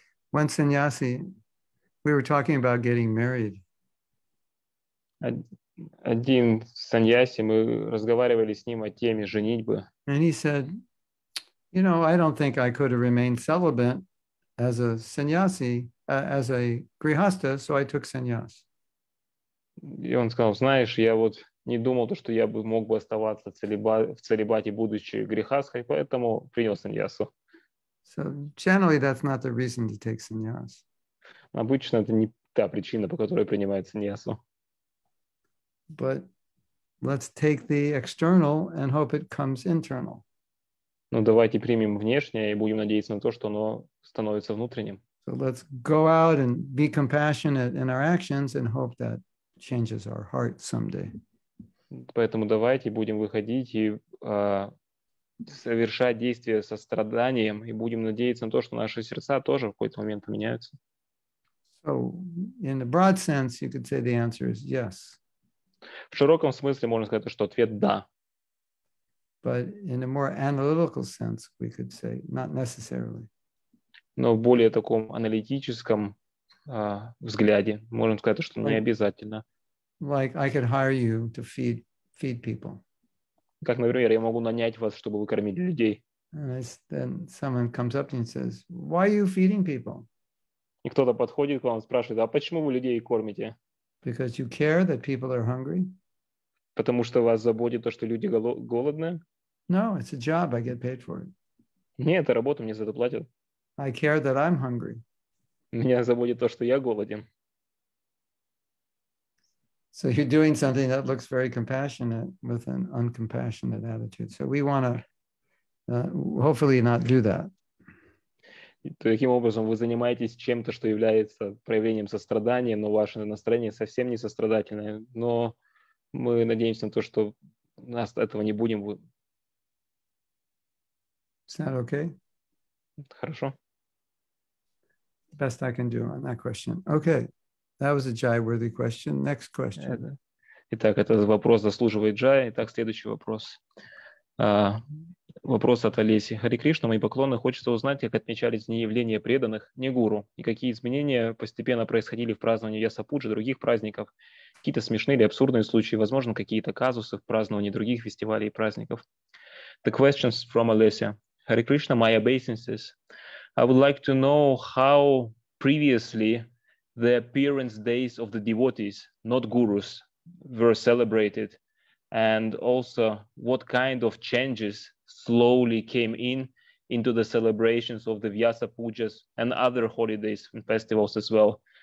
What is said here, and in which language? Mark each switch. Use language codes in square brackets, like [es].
[en] When sannyasi, we were talking about getting married. [ru] Один саньяси, мы разговаривали с ним о теме женитьбы. [en] And he said, you know, I don't think I could have remained celibate as a sannyasi, as a grihastha, so I took sannyas. [ru] И он сказал, знаешь, я вот не думал, что я бы мог бы оставаться в целибате, будучи грихастхой, поэтому принял саньясу. [en] So generally that's not the reason to take sannyas. [ru] Обычно это не та причина, по которой принимают саньясу. [en] But let's take the external and hope it comes internal. [ru] Ну давайте примем внешнее и будем надеяться на то, что оно становится внутренним. [en] So let's go out and be compassionate in our actions and hope that changes our heart someday. [ru] Поэтому давайте будем выходить и совершать действия со страданием и будем надеяться на то, что наши сердца тоже в какой-то момент поменяются. [en] So in a broad sense, you could say the answer is yes. [ru] В широком смысле можно сказать, что ответ да. [en] But in a more analytical sense, we could say not necessarily. [ru] Но в более таком аналитическом взгляде можно сказать, что не обязательно. [en] Like I could hire you to feed people. [ru] Как, например, я могу нанять вас, чтобы вы кормили людей. [en] And then someone comes up to you and says, "Why are you feeding people?" [ru] И кто-то подходит к вам и спрашивает: "А почему вы людей кормите?" [en] Because you care that people are hungry? [ru] Потому что вас заботит то, что люди голодны? [en] No, it's a job. I get paid for it. [ru] Нет, это работа, мне за это платят. [en] I care that I'm hungry. [ru] Меня заботит то, что я голоден. [en] So you're doing something that looks very compassionate with an uncompassionate attitude. So we want to hopefully not do that. [ru] Таким образом, вы занимаетесь чем-то, что является проявлением сострадания, но ваше настроение совсем не сострадательное. Но мы надеемся на то, что нас этого не будем. [en] Is that okay? [ru] Хорошо. [en] best I can do on that question. Okay, that was a jai-worthy question. Next question. Yeah, [ru] Итак, этот вопрос заслуживает джая. Итак, следующий вопрос. Вопрос от Олеси. Хари Кришна, мои поклоны, хочется узнать, как отмечались дни явления преданных, не гуру, и какие изменения постепенно происходили в праздновании Ясапуджи, других праздников, какие-то смешные или абсурдные случаи, возможно, какие-то казусы в праздновании других фестивалей и праздников. [en] The questions from Alessia. Hare Krishna, my obeisances. I would like to know how previously the appearance days of the devotees, not gurus, were celebrated, and also what kind of changes slowly came into the celebrations of the Vyasa Pujas and other holidays and festivals as well.